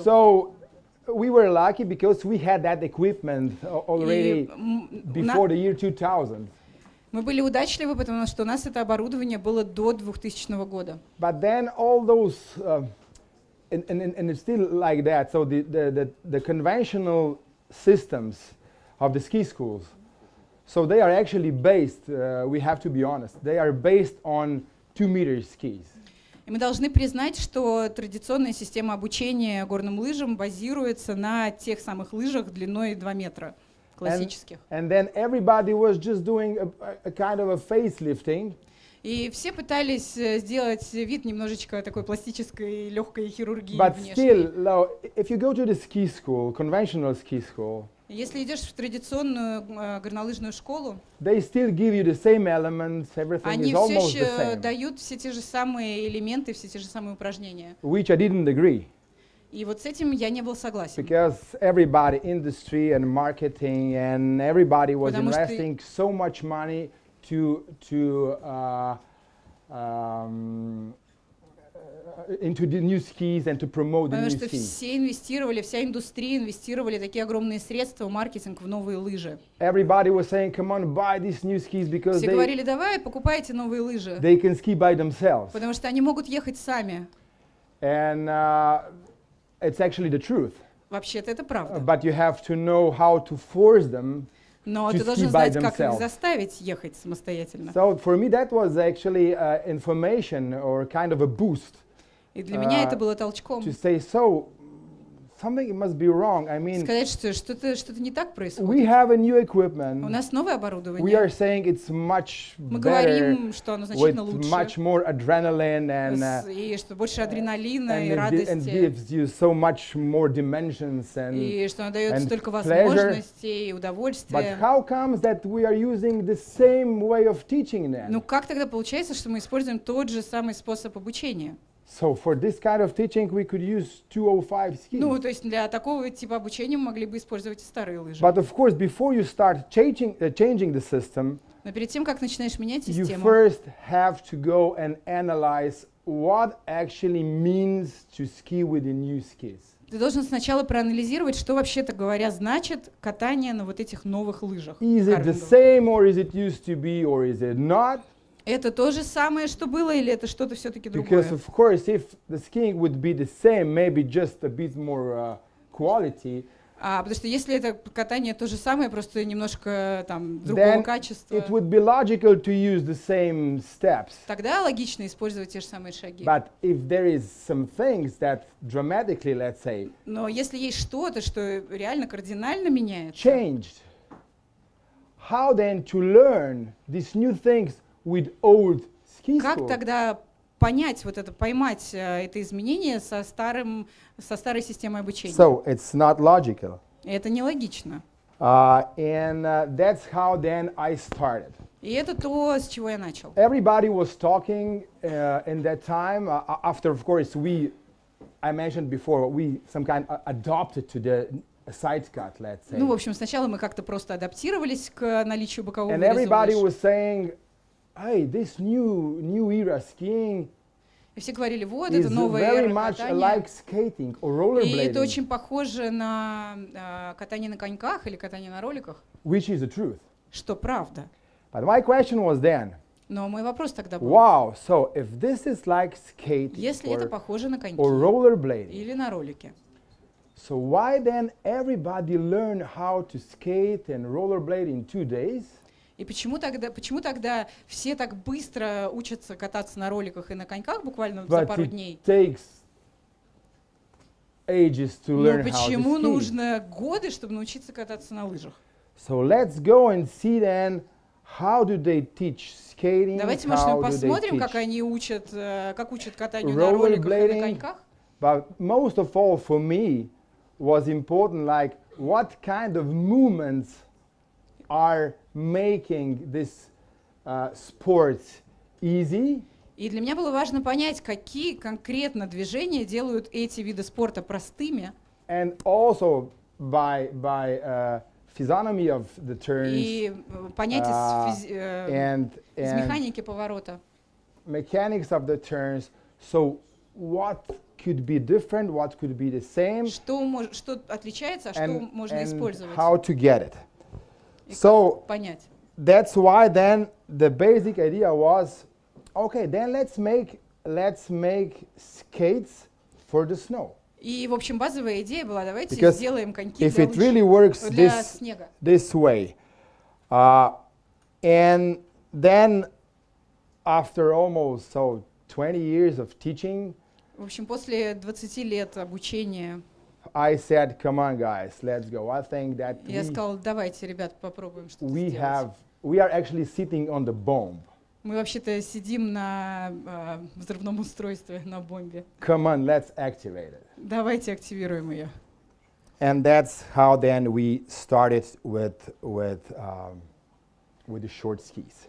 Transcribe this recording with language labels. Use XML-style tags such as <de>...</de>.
<en>So we were lucky because we had that equipment already before the year 2000.</en> <ru>Мы были удачливы, потому что у нас это оборудование было до 2000 года.</ru> <en>But then all those and it's still like that. So the conventional systems of the ski schools, so they are actually based. We have to be honest. They are based on 2-meter skis.</en> <ru>И мы должны признать, что традиционная система обучения горным лыжам базируется на тех самых лыжах длиной 2 метра. классических.</ru> <en>And then everybody was just doing a kind of a facelifting.</en> <ru>И все пытались сделать вид немножечко такой пластической легкой хирургии.</ru> <en>But still, now, if you go to the ski school, conventional ski school.</en> <ru>Если идешь в традиционную горнолыжную школу,</ru> <en>they still give you the same elements, everything is almost the same.</en> <ru>Они все еще дают все те же самые элементы, все те же самые упражнения.</ru> <en>Which I didn't agree.</en> <ru>И вот с этим я не был согласен.</ru> <en>Because everybody, industry and marketing, and everybody was investing so much money into the new skis and to promote the new skis.</en> <ru>Потому что все инвестировали, вся индустрия инвестировали такие огромные средства в маркетинг в новые лыжи.</ru> <en>Everybody was saying, come on, buy these new skis because</en> <ru>все говорили, давай, покупайте новые лыжи.</ru> <en>They can ski by themselves.</en> <ru>Потому что они могут ехать сами.</ru> <en>And it's actually the truth.</en> <ru>Вообще-то это правда.</ru> <en>But you have to know how to force them.</en> <ru>Но ты должен знать, как их заставить ехать самостоятельно.</ru> <en>So for me that was actually information or kind of a boost.</en> <ru>И для меня это было толчком.</ru> <en>To say so, something must be wrong. I mean.</en> <ru>Сказать, что что-то не так происходит.</ru> <en>We have a new equipment.</en> <ru>У нас новое оборудование.</ru> <en>We are saying it's much better.</en> <ru>Мы говорим, что оно значительно лучше.</ru> <en>With much more adrenaline and.</en> <ru>И что больше адреналина и</ru> <en>and</en> <ru>радости.</ru> <en>And gives you so much more dimensions and.</en> <ru>И что оно дает столько возможностей и удовольствия.</ru> <en>But how comes that we are using the same way of teaching then?</en> <ru>Ну как тогда получается, что мы используем тот же самый способ обучения?</ru> <en>So for this kind of teaching we could use 205 skis.</en> <ru>Ну, то есть для такого типа обучения мы могли бы использовать старые лыжи.</ru> <en>But of course before you start changing the system.</en> <ru>Но перед тем как начинаешь менять систему.</ru> <en>You first have to go and analyze what actually means to ski with the new skis.</en> <ru>Ты должен сначала проанализировать, что вообще-то говоря значит катание на вот этих новых лыжах.</ru> <en>Is it the same or is it used to be or is it not?</en> <ru>Это то же самое, что было, или это что-то все-таки другое?</ru> <en>Because of course, if the skiing would be the same, maybe just a bit more quality.</en> <ru>А потому что если это катание то же самое, просто немножко там другого качества.</ru> <en>It would be logical to use the same steps.</en> <ru>Тогда логично использовать те же самые шаги.</ru> <en>But if there is some things that dramatically, let's say.</en> <ru>Но если есть что-то, что реально кардинально меняется.</ru> <en>Changed. How then to learn these new things? With old ski school.</en> <ru>Как тогда понять вот это, поймать это изменение со старым, со старой системой обучения?</ru> <en>So it's not logical.</en> <ru>Это нелогично.</ru> <en>And that's how then I started.</en> <ru>И это то, с чего я начал.</ru> <en>Everybody was talking in that time. After, of course, I mentioned before, we some kind adopted to the side cut, let's say.</en> <ru>Ну, в общем, сначала мы как-то просто адаптировались к наличию бокового.</ru> <en>And everybody was saying. Hey, this new era skiing.</en> <ru>И все говорили, вот это новая эра катания.</ru> <en>Like skating or rollerblading.</en> <ru>И это очень похоже на катание на коньках или катание на роликах.</ru> <en>Which is the truth.</en> <ru>Что правда.</ru> <en>But my question was then.</en> <ru>Но мой вопрос тогда был.</ru> <en>Wow, so if this is like skating.</en> <ru>Если это похоже на коньки.</ru> <en>Or rollerblading.</en> <ru>Или на ролики.</ru> <en>So why then everybody learn how to skate and rollerblade in 2 days?</en> <ru>И почему тогда все так быстро учатся кататься на роликах и на коньках буквально</ru> <en>But</en> <ru>за пару дней?</ru> <en>Takes ages to</en> <ru>Но</ru> <en>learn</en> <ru>почему</ru> <en>how to</en> <ru>нужно годы, чтобы научиться кататься на лыжах?</ru> <en>So let's go and see then how do they teach skating?</en> <ru>Давайте мы посмотрим, как они учат, как учат катанию на роликах и на коньках.</ru> <en>But most of all for me was important like what kind of movements are making this sport easy.</en> <ru>И для меня было важно понять, какие конкретно движения делают эти виды спорта простыми.</ru> <en>And also by physiognomy of the turns.</en> <ru>И понять из механики поворота.</ru> <en>Mechanics of the turns. So what could be different, what could be the same.</en> <ru>Что отличается, а что можно использовать.</ru> <en>And how to get it. So</en> <ru>понять.</ru> <en>That's why then the basic idea was, okay, then let's make skates for the snow.</en> <ru>И в общем базовая идея была, давайте</ru> <en>Because</en> <ru>сделаем коньки для</ru> <en>If it really works this way, and then after almost 20 years of teaching.</en> <ru>В общем, после 20 лет обучения.</ru> <en>I said, come on, guys, let's go. I think that</en> <ru>я сказал, давайте, ребят, попробуем что-то</ru> <en>we</en> <ru>сделать.</ru> <en>Have, we are actually sitting on the bomb.</en> <ru>Мы вообще-то сидим на взрывном устройстве, на бомбе.</ru> <en>Come on, let's activate it.</en> <ru>Давайте активируем ее.</ru> <en>And that's how then we started with the short skis.</en>